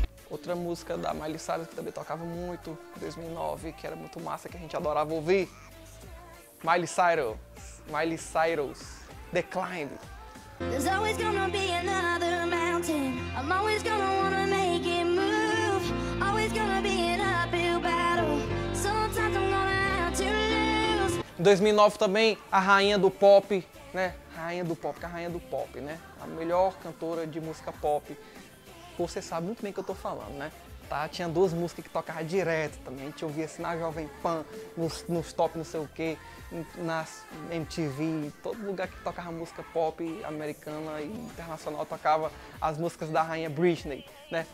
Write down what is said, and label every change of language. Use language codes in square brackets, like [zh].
[pt] Outra música da Miley Cyrus que também tocava muito em 2009, que era muito massa, que a gente adorava ouvir. Miley Cyrus, The Climb. [en] There's always gonna be another mountain. I'm always gonna wanna make it move. Always gonna be an uphill battle. Sometimes I'm gonna have to lose. [pt] Em 2009 também, a rainha do pop, né? Rainha do pop, que é a rainha do pop, né? A melhor cantora de música pop. Você sabe muito bem o que eu tô falando, né? Tá? Tinha duas músicas que tocavam direto também. A gente ouvia assim na Jovem Pan, nos top não sei o quê, nas MTV, todo lugar que tocava música pop americana e internacional tocava as músicas da rainha Britney, né?